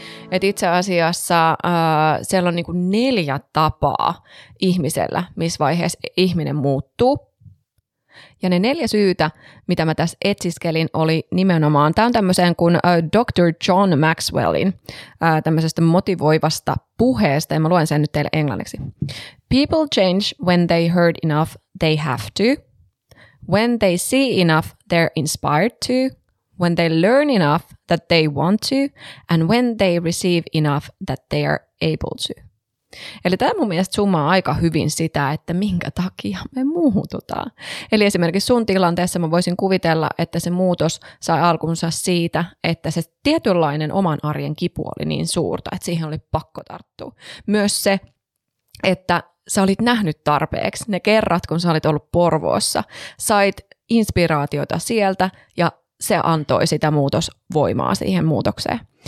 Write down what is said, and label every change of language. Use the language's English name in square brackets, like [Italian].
[Finnish] et itse asiassa siellä on niinku 4 tapaa ihmisellä, missä vaiheessa ihminen muuttuu. Ja ne 4 syytä, mitä mä tässä etsiskelin, oli nimenomaan, tämä on tämmöiseen kuin Dr. John Maxwellin tämmöisestä motivoivasta puheesta, ja mä luen sen nyt teille englanniksi. [English] People change when they heard enough, they have to. When they see enough, they're inspired to. When they learn enough, that they want to. And when they receive enough, that they are able to. [Finnish] Eli tämä mun mielestä summaa aika hyvin sitä, että minkä takia me muututaan. Eli esimerkiksi sun tilanteessa mä voisin kuvitella, että se muutos sai alkunsa siitä, että se tietynlainen oman arjen kipu oli niin suurta, että siihen oli pakko tarttua. Myös se, että sä olit nähnyt tarpeeksi ne kerrat, kun sä olit ollut Porvoossa, sait inspiraatiota sieltä ja se antoi sitä muutosvoimaa siihen muutokseen.